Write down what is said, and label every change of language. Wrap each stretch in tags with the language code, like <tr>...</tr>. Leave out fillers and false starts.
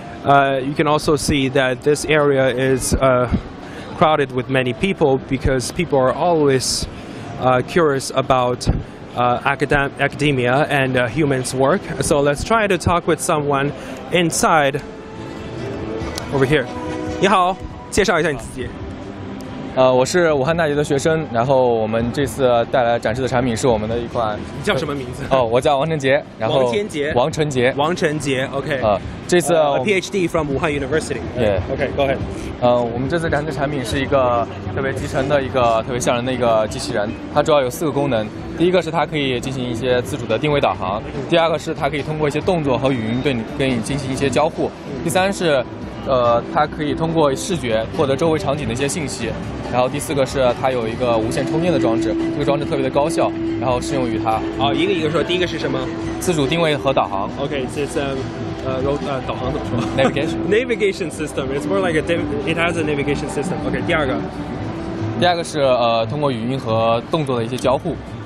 <en>You can also see that this area is crowded with many people because people are always curious about academia and humans' work. So let's try to talk with someone inside over here.</en> <zh>你好，介绍一下你自己。我是武汉大学的学生，然后我们这次带来展示的产品是我们的一款。你叫什么名字？我叫王晨杰。然后王天杰。王晨杰。王晨杰。OK。这次。</zh> <en>PhD from Wuhan University。</en> <zh>对。</zh> <en>OK， go ahead。</en> <zh>我们这次展示的产品是一个特别集成的一个特别像人的一个机器人，它主要有四个功能。第一个是它可以进行一些自主的定位导航。第二个是它可以通过一些动作和语音跟你进行一些交互。第三是。它可以通过视觉获得周围场景的一些信息，然后第四个是它有一个无线充电的装置，这个装置特别的高效，然后适用于它。一个一个说，第一个是什么？自主定位和导航。 OK， 这是导航怎么说</zh> <en>？Navigation。 Navigation system. It's more like it has a navigation system.</en> <zh>OK， 第二个。第二个是通过语音和动作的一些交互。</zh>